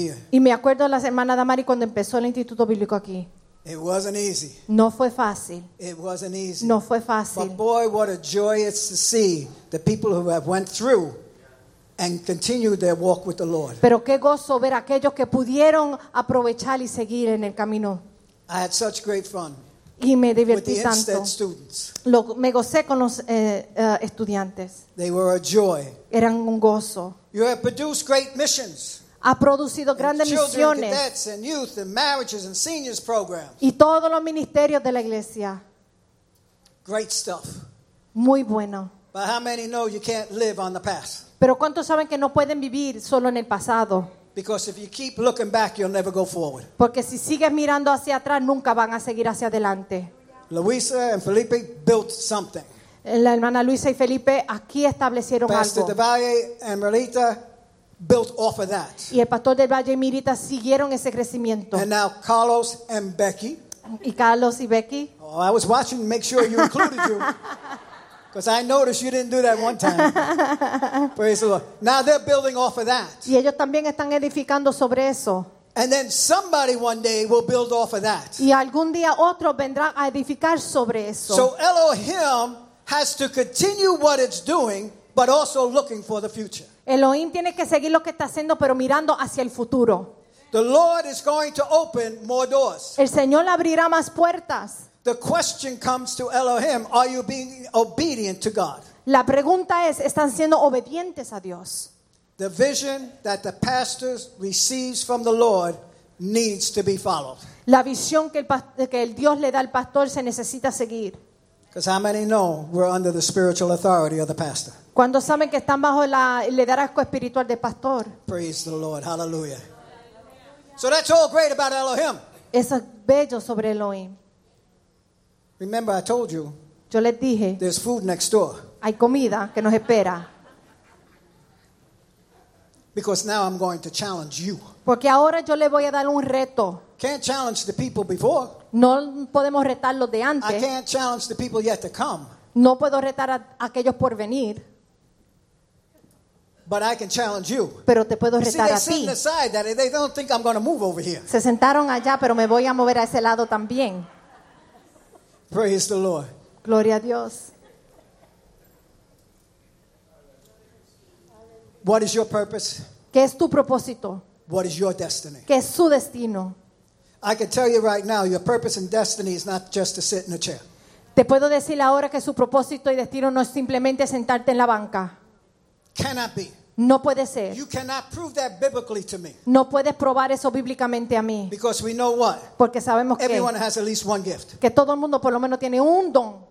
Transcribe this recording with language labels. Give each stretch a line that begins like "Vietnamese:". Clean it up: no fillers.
Spanish: Y me acuerdo de la hermana Damari cuando empezó el Instituto Bíblico aquí.
English: It wasn't easy.
Spanish: No fue fácil.
English: It wasn't easy.
Spanish: No fue fácil.
English: But boy, what a joy it's to see the people who have went through and continued their walk with the Lord.
Spanish: Pero qué gozo ver a aquellos que pudieron aprovechar y seguir en el camino.
English: I had such great fun.
Spanish: Y me divertí tanto.
English: Students.
Spanish: Me gocé con los estudiantes.
English: They were a joy.
Spanish: Eran un gozo.
English: You have produced great missions.
Spanish: Ha producido grandes misiones.
English: Children, cadets, and youth, and marriages, and seniors programs.
Spanish: Y todos los ministerios de la iglesia.
English: Great stuff.
Spanish: Muy bueno.
English: But how many know you can't live on the past?
Spanish: Pero ¿cuántos saben que no pueden vivir solo en el pasado?
English: Because if you keep looking back, you'll never go forward.
Spanish: Porque si sigues mirando hacia atrás, nunca van a seguir hacia adelante.
English: Luisa and Felipe built something.
Spanish: La hermana Luisa y Felipe aquí establecieron
English: Pastor
Spanish: algo.
English: Pastor Del Valle and Merlita built off of that.
Spanish: Y el Pastor Del Valle y Merlita siguieron ese crecimiento.
English: And now Carlos and Becky.
Spanish: Y Carlos y Becky.
English: Oh, I was watching to make sure you included you. Because I noticed you didn't do that one time. Praise the Lord. Now they're building off of that.
Spanish: Y ellos también están edificando sobre eso.
English: And then somebody one day will build off of that.
Spanish: Y algún día otro vendrá a edificar sobre eso.
English: So Elohim has to continue what it's doing, but also looking for the future.
Spanish: Elohim tiene que seguir lo que está haciendo, pero mirando hacia el futuro.
English: The Lord is going to open more doors.
Spanish: El Señor abrirá más puertas.
English: The question comes to Elohim, are you being obedient to God?
Spanish: La pregunta es, ¿están siendo obedientes a Dios?
English: The vision that the pastor receives from the Lord needs to be followed.
Spanish: La visión que el Dios le da al pastor se necesita seguir.
English: Because how many know we're under the spiritual authority of the pastor?
Spanish: ¿Cuántos saben que están bajo la liderazgo espiritual del pastor?
English: Praise the Lord, hallelujah. So that's all great about Elohim.
Spanish: Eso es bello sobre Elohim.
English: Remember, I told you.
Spanish: Yo les dije.
English: There's food next door.
Spanish: Hay comida que nos espera.
English: Because now I'm going to challenge you.
Spanish: Porque ahora yo le voy a dar un reto.
English: Can't challenge the people before.
Spanish: No podemos retarlos de antes.
English: I can't challenge the people yet to come.
Spanish: No puedo retar a aquellos por venir.
English: But I can challenge you.
Spanish: Pero te puedo retar a ti.
English: See, they're sitting aside. They don't think I'm going to move over here.
Spanish: Se sentaron allá, pero me voy a mover a ese lado también.
English: Praise the Lord.
Spanish: Gloria a Dios.
English: What is your purpose?
Spanish: ¿Qué es tu propósito?
English: What is your destiny?
Spanish: ¿Qué es su destino?
English: I can tell you right now, your purpose and destiny is not just to sit in a chair.
Spanish: Te puedo decir ahora que su propósito y destino no es simplemente sentarte en la banca.
English: Cannot be.
Spanish: No puede ser.
English: You cannot prove that biblically to me.
Spanish: No puedes probar eso bíblicamente a mí.
English: Because we know what?
Spanish: Porque sabemos que
English: everyone has at least one gift.
Spanish: Que todo el mundo por lo menos tiene un don.